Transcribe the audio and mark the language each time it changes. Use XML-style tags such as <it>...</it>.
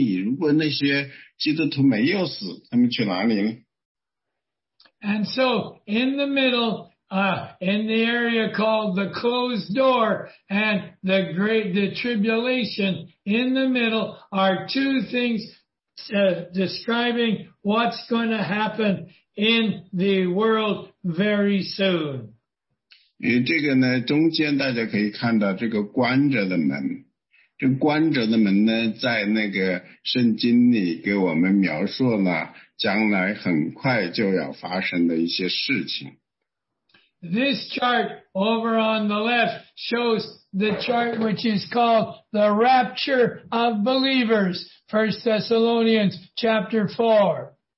<zh>那这里呢，我跟大家解释的那第一个呢，就是这条窄路。窄路呢，这些人死了，他们去了天堂；然后这些那个走在宽路上的，他们死了，下了地狱。然后还有第三条路，第三条路是那些在后面的很多年里，如果那些基督徒没有死，他们去哪里呢？</zh> <en>And so in the middle in the area called the closed door and the great, the tribulation in the middle are two things describing what's going to happen in the world very soon.</en> <zh>这个呢，中间大家可以看到这个关着的门。这关着的门呢，在那个圣经里给我们描述了将来很快就要发生的一些事情。This</zh> <en>chart over on the left shows the chart which is called the rapture of believers, 1 Thessalonians chapter 4.</en>